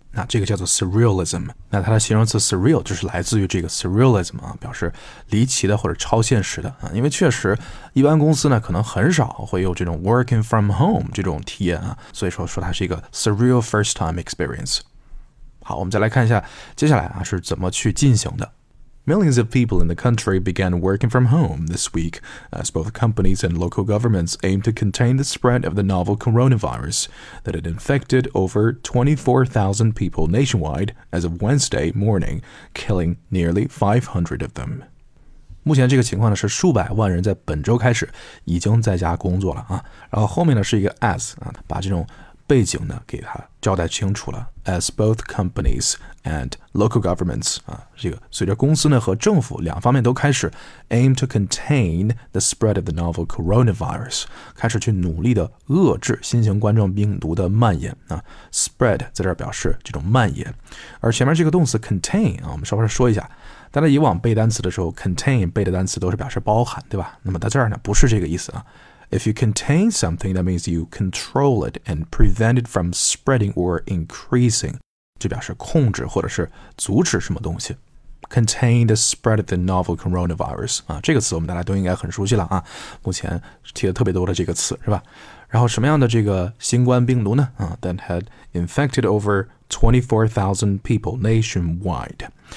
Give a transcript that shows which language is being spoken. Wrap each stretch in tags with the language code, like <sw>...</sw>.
<zh>那这个叫做 surrealism， 那它的形容词 surreal 就是来自于这个 surrealism 啊，表示离奇的或者超现实的啊。因为确实一般公司呢可能很少会有这种</zh> <en>working from home</en> <zh>这种体验啊，所以说它是一个</zh> <en>surreal first time experience。</en> <zh>好，我们再来看一下接下来啊是怎么去进行的。</zh> <en>Millions of people in the country began working from home this week as both companies and local governments aimed to contain the spread of the novel coronavirus that had infected over 24,000 people nationwide as of Wednesday morning, killing nearly 500 of them.</en> <zh>目前这个情况呢是数百万人在本周开始已经在家工作了啊，然后后面呢是一个 as 啊，把这种背景呢给它交代清楚了。</zh> <en>As both companies and local governments</en> <zh>啊，这个随着公司呢和政府两方面都开始</zh> <en>aim to contain the spread of the novel coronavirus，</en> <zh>开始去努力的遏制新型冠状病毒的蔓延啊。 Spread 在这儿表示这种蔓延，而前面这个动词 contain 啊，我们稍微说一下，大家以往背单词的时候 contain 背的单词都是表示包含，对吧？那么在这儿呢不是这个意思啊。</zh> <en>If you contain something, that means you control it and prevent it from spreading or increasing.</en> <zh>就表示控制或者是阻止什么东西。</zh> <en>Contain the spread of the novel coronavirus.</en> <zh>啊，这个词我们大家都应该很熟悉了啊，目前提的特别多的这个词，是吧？然后什么样的这个新冠病毒呢？啊</zh> <en>，that had infected over 24,000 people nationwide.</en>